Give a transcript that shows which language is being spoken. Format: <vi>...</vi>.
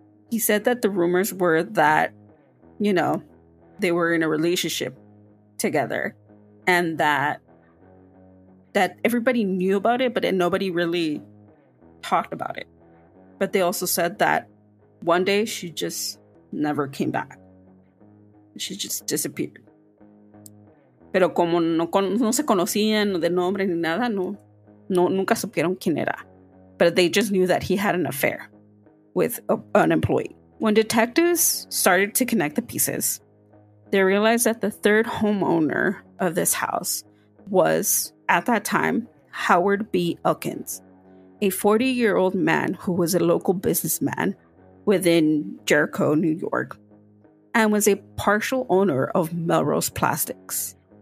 <en>He said that the rumors were that, you know, they were in a relationship together and that everybody knew about it, but nobody really talked about it. But they also said that one day she just never came back. She just disappeared.</en> <es>Pero como no se conocían de nombre ni nada, no nunca supieron quién era.</es> <en>But they just knew that he had an affair with an employee. When detectives started to connect the pieces, they realized that the third homeowner of this house was, at that time, Howard B. Elkins, a 40-year-old man who was a local businessman within Jericho, New York, and was a partial owner of Melrose Plastics.</en>